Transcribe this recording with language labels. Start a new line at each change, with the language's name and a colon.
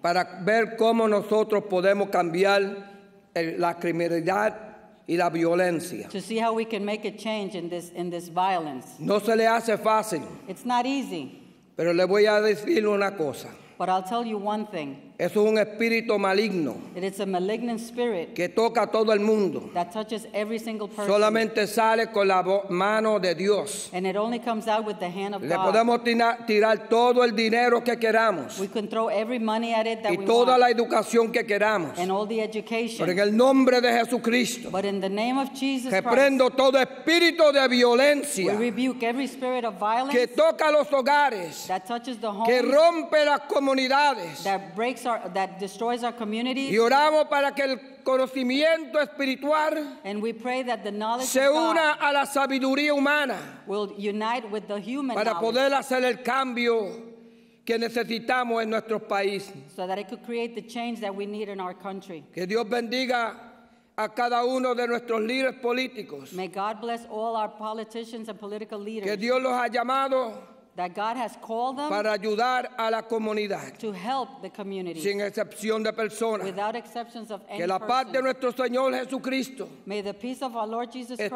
Spanish: Para ver cómo nosotros podemos cambiar la criminalidad. Y la violencia.
English: To see how we can make a change in this violence.
Spanish: No se le hace fácil.
English: It's not easy.
Spanish: Pero le voy a decir una cosa.
English: But I'll tell you one thing.
Spanish: Eso es un espíritu maligno.
English: It is a malignant spirit.
Spanish: Que toca a todo el mundo.
English: That touches every single person.
Spanish: Solamente sale con la mano de Dios.
English: And it only comes out with the hand of God.
Spanish: Le podemos tirar todo el dinero que queramos.
English: We can throw every money at it that we want.
Spanish: Y toda la educación que queramos.
English: And all the education.
Spanish: Pero en el nombre de Jesucristo.
English: But in the name of Jesus Christ.
Spanish: Reprendo todo espíritu de violencia.
English: We rebuke every spirit of violence.
Spanish: Que toca los hogares.
English: That touches the homes.
Spanish: Que rompe las comunidades.
English: That breaks that destroys our communities.
Spanish: Y oramos para que el conocimiento espiritual
English: and we pray that the knowledge
Spanish: se una a la sabiduría humana
English: will unite with the human
Spanish: para
English: knowledge
Spanish: poder hacer el cambio que necesitamos en nuestro país.
English: So that it could create the change that we need in our country.
Spanish: Que Dios bendiga a cada uno de nuestros líderes políticos.
English: May God bless all our politicians and political leaders.
Spanish: Que Dios los ha llamado
English: that God has called them
Spanish: para ayudar a la comunidad,
English: to help the community
Spanish: sin excepción de personas,
English: without exceptions of any
Spanish: que la paz
English: person
Spanish: de nuestro Señor Jesucristo,
English: may the peace of our Lord Jesus
Spanish: esté